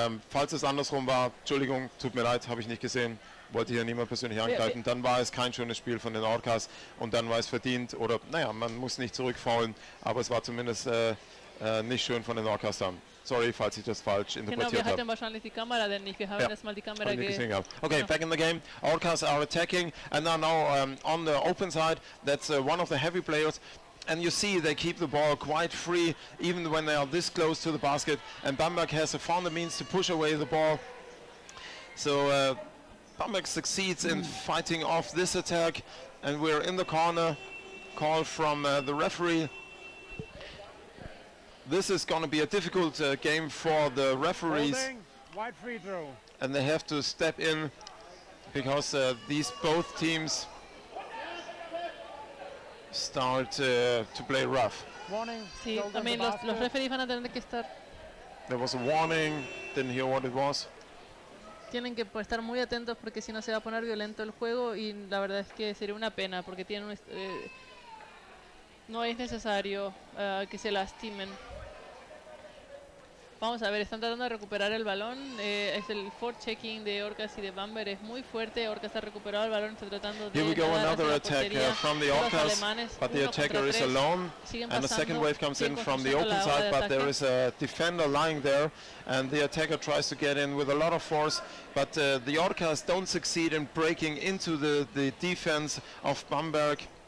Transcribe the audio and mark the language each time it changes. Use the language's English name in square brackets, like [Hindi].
[German] Falls es andersrum war, Entschuldigung, tut mir leid, habe ich nicht gesehen. Wollte hier niemand persönlich angreifen. Dann war es kein schönes Spiel von den Orcas und dann war es verdient. Oder, naja, man muss nicht zurückfaulen, aber es war zumindest nicht schön von den Orcas dann. Sorry, falls ich das falsch interpretiert habe. Genau, wir hatten wahrscheinlich die Kamera, denn nicht. Wir haben erstmal die Kamera gesehen. [English] Okay, back in the game. Orcas are attacking. And they are now on the open side. That's one of the heavy players. And you see, they keep the ball quite free, even when they are this close to the basket. And Bamberg has found the means to push away the ball. So Bamberg succeeds in fighting off this attack. And we're in the corner. Call from the referee. This is going to be a difficult game for the referees. Holding, wide free throw. And they have to step in because these both teams start to play rough. Warning. [Spanish] Sí, [English] I mean, [Spanish] los referees van a tener que estar. [English] There was a warning, didn't hear what it was. [Spanish] Tienen que estar muy atentos porque si no se va a poner violento el juego y la verdad es que sería una pena porque tienen no es necesario que se lastimen. Vamos a ver, están tratando de recuperar el balón. Es el forechecking de Orcas y de Bamberg es muy fuerte. Orcas ha recuperado el balón, está tratando de. [English] Here we go, another attack from the Orcas, but the attacker is alone. And the second wave comes in from the open side, but there is a defender lying there, and the attacker tries to get in with a lot of force, but the Orcas don't succeed in breaking into the defense of Bamberg.